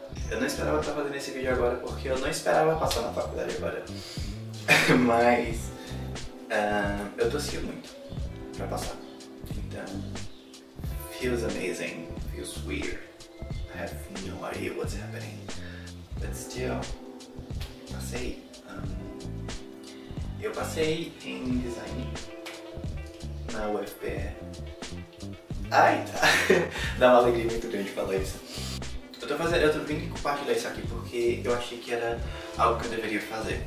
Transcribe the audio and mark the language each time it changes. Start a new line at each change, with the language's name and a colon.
Portuguese: Eu não esperava estar fazendo esse vídeo agora, porque eu não esperava passar na faculdade agora. Mas eu torci muito pra passar.
English: Então, feels amazing, feels weird. I have no idea what's happening. But still,
Portuguese: passei. Eu passei em design na UFPE. Ai, tá. Dá uma alegria muito grande falar isso. Eu tô vindo compartilhar isso aqui porque eu achei que era algo que eu deveria fazer.